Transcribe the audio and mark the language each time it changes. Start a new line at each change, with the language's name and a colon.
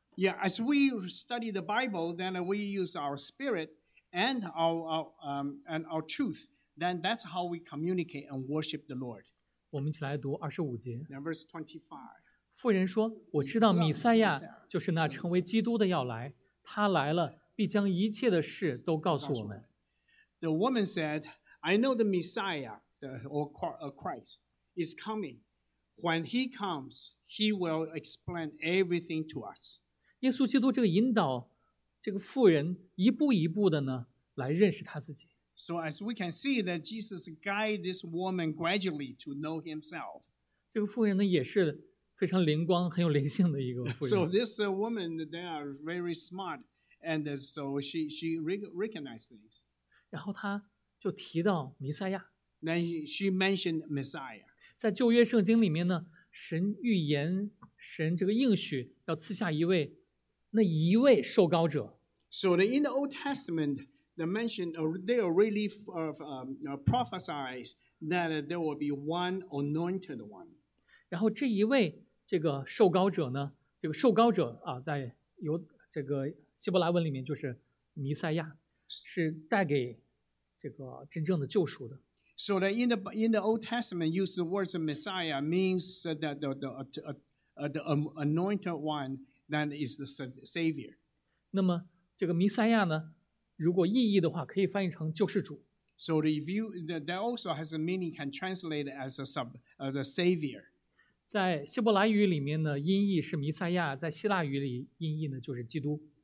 English: Yeah, as we study the Bible, then we use our spirit and our truth. Then that's how we communicate and worship the Lord.
Chinese: 我们一起来读二十五节。
English: Now, verse 25.
Chinese: 妇人说：“我知道弥赛亚就是那称为基督的要来，他来了必将一切的事都告诉我们。”
English: The woman said, "I know the Messiah, Christ, is coming. When he comes, he will explain everything to us."
Chinese: 耶稣基督这个引导这个妇人一步一步的呢来认识他自己。
English: So as we can see that Jesus guide this woman gradually to know himself.
Chinese: 这个妇人呢也是非常灵光很有灵性的一个妇人。
English: So this woman, they are very smart, and so she recognized this.
Chinese: 然后她就提到弥赛亚。
English: Then she mentioned Messiah.
Chinese: 在旧约圣经里面呢，神预言，神这个应许要赐下一位，那一位受膏者。
English: So in the Old Testament, they already prophesied that there will be one anointed one.
Chinese: 然后这一位这个受膏者呢，这个受膏者啊，在有这个希伯来文里面就是弥赛亚，是带给这个真正的救赎的。
English: So that in the Old Testament, use the words of Messiah means that the anointed one that is the savior.
Chinese: 那么这个弥赛亚呢，如果意义的话，可以翻译成救世主。
English: So that also has a meaning can translate as the savior.
Chinese: 在希伯来语里面呢，音译是弥赛亚；在希腊语里，音译呢就是基督。